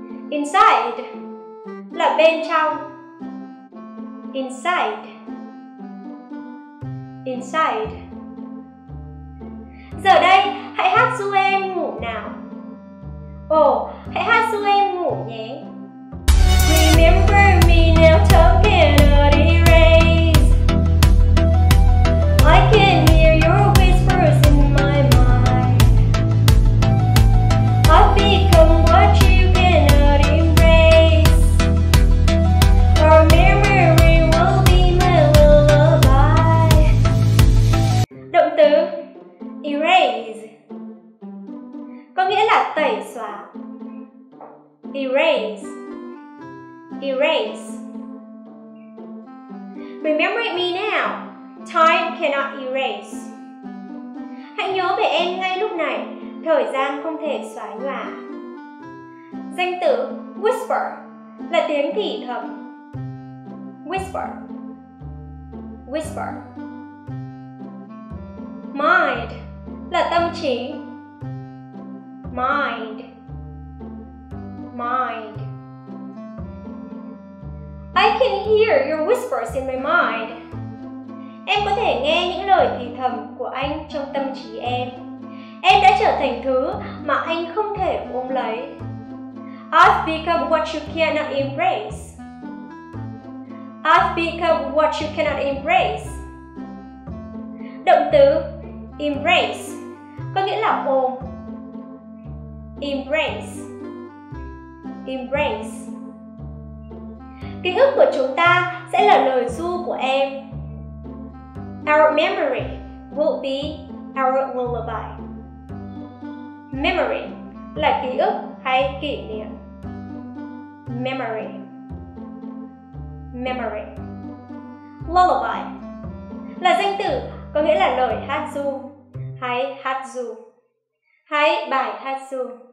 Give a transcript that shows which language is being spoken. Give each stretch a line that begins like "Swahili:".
Vietnamese: Inside là bên trong.
English: Inside, inside.
Vietnamese: Giờ đây hãy hát du em ngủ nào. Ồ, hãy hát du em ngủ nhé.
English: Remember me now, token of erase. I can hear your whispers in my mind. I've become what you cannot embrace. Our memory will be my lullaby.
Vietnamese: Động từ erase có nghĩa là tẩy xóa.
English: Erase, erase. Remember me now. Time cannot erase.
Vietnamese: Hãy nhớ về em ngay lúc này. Thời gian không thể xóa nhòa. Danh từ whisper là tiếng thì thầm.
English: Whisper, whisper.
Vietnamese: Mind là tâm trí.
English: Mind, mind. I can hear your whispers in my mind.
Vietnamese: Em có thể nghe những lời thì thầm của anh trong tâm trí em. Em đã trở thành thứ mà anh không thể ôm lấy.
English: I've become what you cannot embrace. I've become what you cannot embrace.
Vietnamese: Động từ embrace có nghĩa là ôm.
English: Embrace, embrace.
Vietnamese: Ký ức của chúng ta sẽ là lời ru của em.
English: Our memory will be our lullaby.
Vietnamese: Memory là ký ức hay kỷ niệm.
English: Memory, memory.
Vietnamese: Lullaby là danh từ có nghĩa là lời hát ru hay hát ru hay bài hát ru.